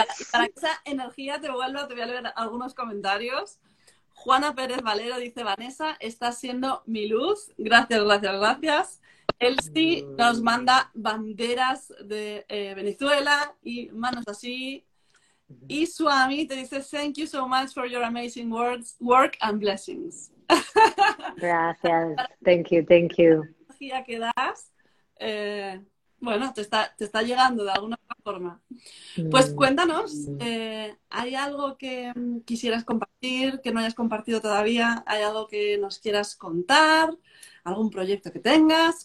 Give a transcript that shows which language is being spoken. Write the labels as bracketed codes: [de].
[es] Para que esa energía te voy a leer algunos comentarios. Juana Pérez Valero dice: Vanessa, estás siendo mi luz. Gracias, gracias, gracias. Elsie nos manda banderas de Venezuela y manos así. Y Suami te dice: [en] Thank you so much for your amazing words, work and blessings. [es] Gracias, [en] thank you, [es] Energía que das, bueno, te está llegando de alguna forma. Pues cuéntanos, ¿hay algo que quisieras compartir, que no hayas compartido todavía? ¿Hay algo que nos quieras contar? ¿Algún proyecto que tengas?